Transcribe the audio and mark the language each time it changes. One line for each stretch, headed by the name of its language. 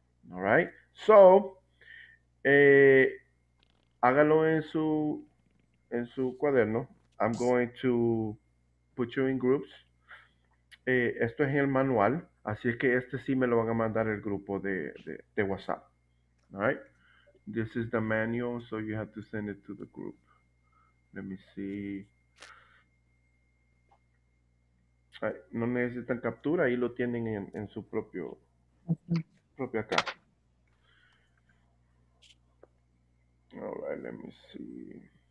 English: All right, so
Spanish: hágalo en su cuaderno.
English: I'm going to put you in groups.
Spanish: Esto es en el manual, así es que este sí me lo van a mandar el grupo de WhatsApp.
English: All right, this is the manual, so you have to send it to the group. Let me see.
Spanish: No necesitan captura, ahí lo tienen en su propio propia acá.
English: All right, let me see.